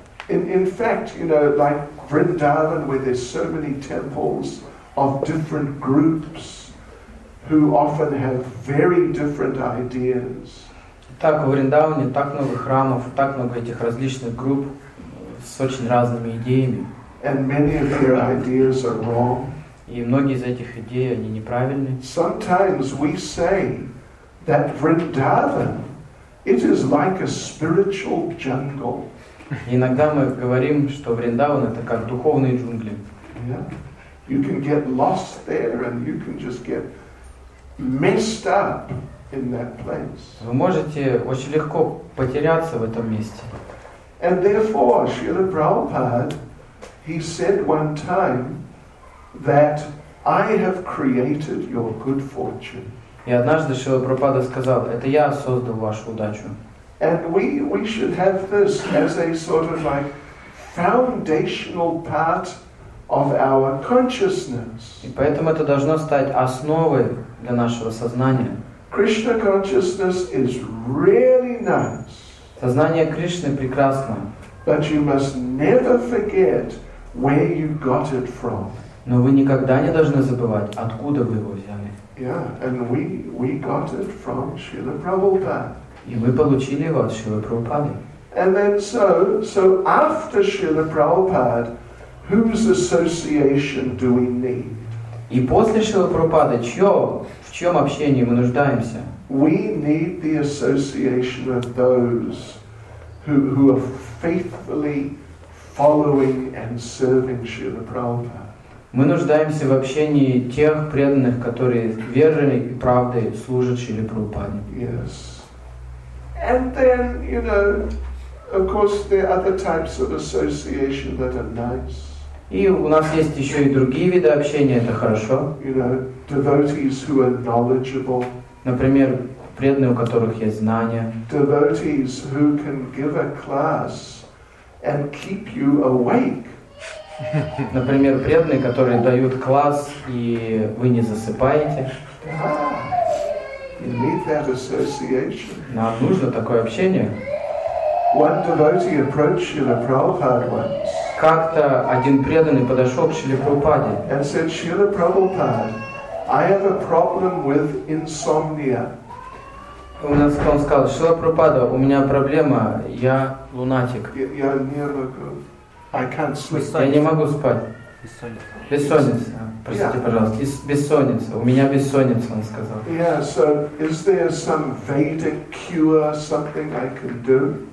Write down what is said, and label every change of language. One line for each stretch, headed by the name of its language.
English: In fact, you know, like Vrindavan, where there's so many temples of different groups who often have very different ideas.
Russian: Так в Вриндаване так много храмов, так много этих различных групп с очень разными идеями.
English: And many of their ideas are wrong.
Russian: И многие из этих идей, они неправильны.
English: Sometimes we say that Vrindavan, it is like a spiritual jungle.
Russian: Иногда мы говорим, что Вриндаван это как духовные джунгли.
English: Yeah. You can get lost there and you can just get messed up in that place.
Russian: Вы можете очень легко потеряться в этом месте.
English: And therefore, Srila Prabhupada, he said one time that I have created your good fortune.
Russian: И однажды Шрила Прабхупада сказал: это я создал вашу удачу.
English: And we should have this as a sort of like foundational part of our consciousness.
Russian: И поэтому это должно стать основой для нашего сознания.
English: Krishna consciousness is really nice.
Russian: Сознание Кришны прекрасно.
English: But you must never forget where you got it from.
Russian: Но вы никогда не должны забывать, откуда вы его взяли.
English: Yeah, and we got it from Srila Prabhupada.
Russian: И мы получили его от Шрилы Прабхупады.
English: And then so after Srila Prabhupada, whose association do we need?
Russian: И после Шрилы Прабхупады, в чем общении мы нуждаемся?
English: We need the association of those who are faithfully following and serving Srila Prabhupada.
Russian: Мы нуждаемся в общении тех преданных, которые верой и правдой служат Шриле Прабхупаде.
English: Yes. And then, you know, of course, there are other types of association that are nice.
Russian: И у нас есть еще и другие виды общения, это хорошо.
English: You know, devotees who are knowledgeable.
Russian: Например, преданные, у которых есть знания.
English: Devotees who can give a class and keep you awake.
Russian: Например, преданные, которые дают класс, и вы не засыпаете.
English: You need that association.
Russian: Нам нужно такое общение.
English: One devotee approached Srila Prabhupada once.
Russian: Как-то один преданный подошел к Шриле Прабхупаде.
English: And said, Srila Prabhupada, I have a problem with insomnia.
Russian: Он сказал: Шрила Прабхупада, у меня проблема, я лунатик. Я нервный.
English: I can't sleep.
Russian: Я не могу спать. Бессонница. Простите, пожалуйста. Бессонница. У меня бессонница, он сказал.
English: Yeah, so is there some Vedic cure, something I can do?